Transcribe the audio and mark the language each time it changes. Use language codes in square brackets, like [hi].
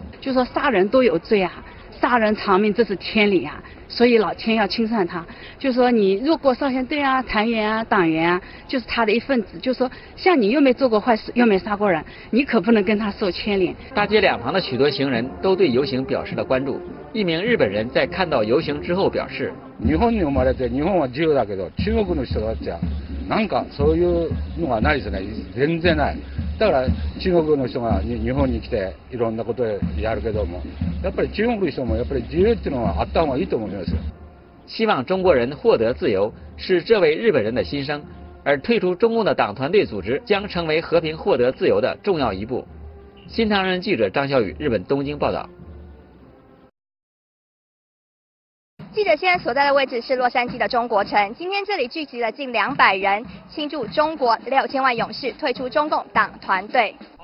[zh] 就说杀人都有罪啊，杀人偿命这是天理啊，所以老天要清算他。就说你入过少先队啊、残员啊、党员啊，就是他的一份子。就说像你又没做过坏事，又没杀过人，你可不能跟他受牵连。大街两旁的许多行人都对游行表示了关注。一名日本人在看到游行之后表示：“ [ja] 日本に生まれて日本は自由だけど、中国の人たちはなんかそういうのはないですね、全然ない。だから中国の人が日本に来ていろんなことをやるけども、やっぱり中国の人もやっぱり自由っていうのはあった方がいいと思います。” [zh] 希望中国人获得自由是这位日本人的心声，而退出中共的党团队组织将成为和平获得自由的重要一步。新唐人记者张小雨，日本东京报道。记者现在所在的位置是洛杉矶的中国城，今天这里聚集了近200人，庆祝中国6000万勇士退出中共党团队。